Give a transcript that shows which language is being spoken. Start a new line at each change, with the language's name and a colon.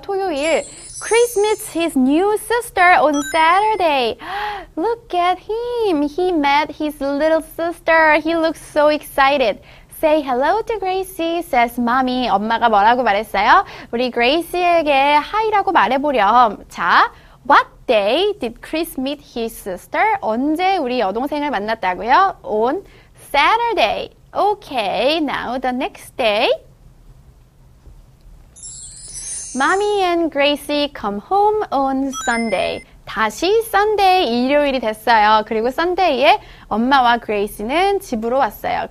Korean: 토요일.
English: Chris meets his new sister on Saturday. Look at him. He met his little sister. He looks so excited. Say hello to Gracie, says mommy.
Korean: 엄마가 뭐라고 말했어요? 우리 Gracie에게 hi라고 말해보렴.
English: 자, what day did Chris meet his sister?
Korean: 언제 우리 여동생을 만났다고요?
English: On Saturday. Okay, now the next day. Mommy and Gracie come home on Sunday.
Korean: 다시 Sunday, 일요일이 됐어요. 그리고 Sunday에 엄마와 Gracie는 집으로 왔어요.